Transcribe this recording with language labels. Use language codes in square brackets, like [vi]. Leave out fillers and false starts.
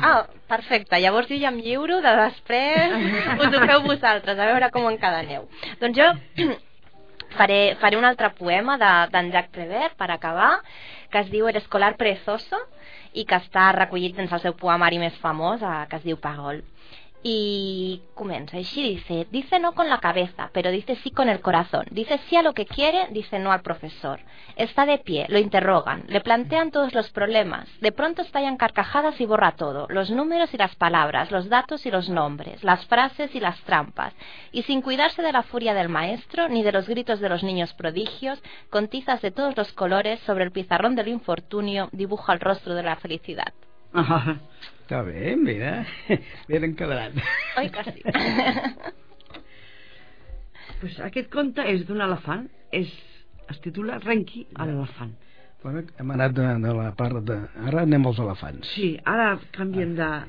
[ca] Ah, perfecte, llavors jo ja em lliuro de després, us ho feu vosaltres, a veure com encadeneu. Doncs jo faré un altre poema d'en Jacques Prévert, per acabar, que es diu El escolar perezoso, i que està recollit dins el seu poemari més famós, que es diu Parole. I comença així, [es] dice no con la cabeza, pero dice sí con el corazón. Dice sí a lo que quiere, dice no al profesor. Está de pie, lo interrogan, le plantean todos los problemas. De pronto estallan carcajadas y borra todo, los números y las palabras, los datos y los nombres, las frases y las trampas. Y sin cuidarse de la furia del maestro, ni de los gritos de los niños prodigios, con tizas de todos los colores, sobre el pizarrón del infortunio, dibuja el rostro de la felicidad. [ca] Està bé, mira, ben encadrat. Oi, que sí. Pues aquest conte és d'un elefant, es titula Renqui a l'elefant. Bueno, hem anat de la part de... Ara anem als elefants. Sí, ara canviem de...